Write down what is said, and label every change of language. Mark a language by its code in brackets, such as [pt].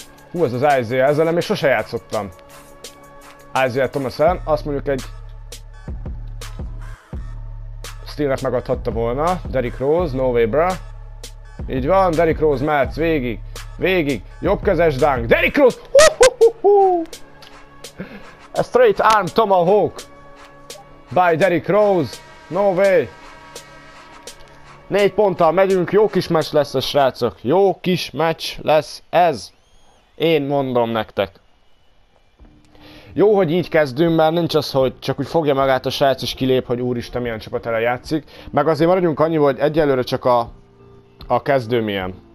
[hu] Hú, ez az Isaiah, ezzel nem még sose játszottam. Isaiah Thomas ellen, azt mondjuk egy steal-et megadhatta volna, Derrick Rose, [en] no way bro. [hu] Így van, Derrick Rose mehetsz végig, végig, jobbkezes dunk, Derrick Rose, hu-hu-hu-hu! [en] A straight arm tomahawk by Derrick Rose, no way. [hu] 4 ponttal megyünk, jó kis meccs lesz a srácok, jó kis meccs lesz ez, én mondom nektek. Jó, hogy így kezdünk, mert nincs az, hogy csak úgy fogja magát a srác és kilép, hogy úristen, milyen csapat ele játszik. Meg azért maradjunk annyi, hogy egyelőre csak a kezdő milyen.